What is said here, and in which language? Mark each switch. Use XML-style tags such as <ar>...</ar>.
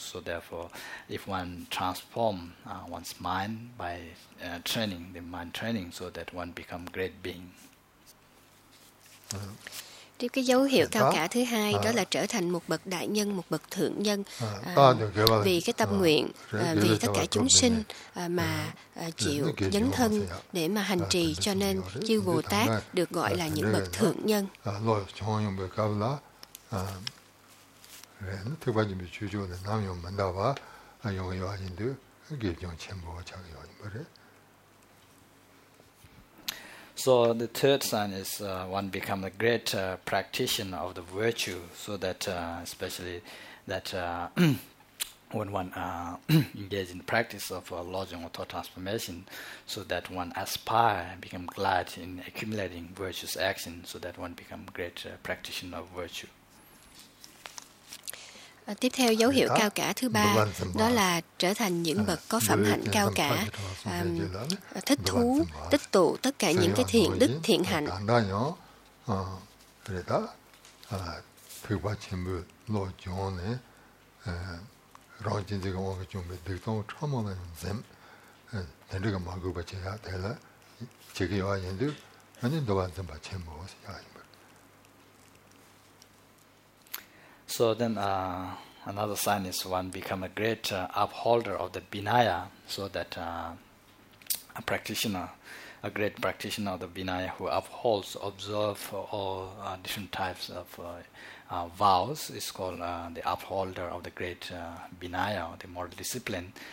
<en>So therefore, if one transform one's mind by training, the mind training, so that one become great being.</en> <vi>Thì cái dấu hiệu cao cả thứ hai đó là trở thành một bậc đại nhân, một bậc thượng nhân, vì cái tâm nguyện vì tất cả chúng sinh mà chịu dấn thân để mà hành trì, cho nên chư Bồ Tát được gọi là những bậc thượng nhân.</vi> <en>So the third sign is one become a great practitioner of the virtue, so that especially that when one engages in the practice of lodging or thought transformation, so that one aspire and become glad in accumulating virtuous action, so that one become a great practitioner of virtue.</en> <vi>Tiếp theo dấu hiệu cao cả thứ ba đó là trở thành những bậc có phẩm hạnh cao cả, thích thú tích tụ tất cả những cái thiện đức thiện hạnh.</vi> <en>So then another sign is one become a great upholder of the Vinaya, so that a great practitioner of the Vinaya who upholds, observes all different types of vows is called the upholder of the great Vinaya, or the moral discipline.</en>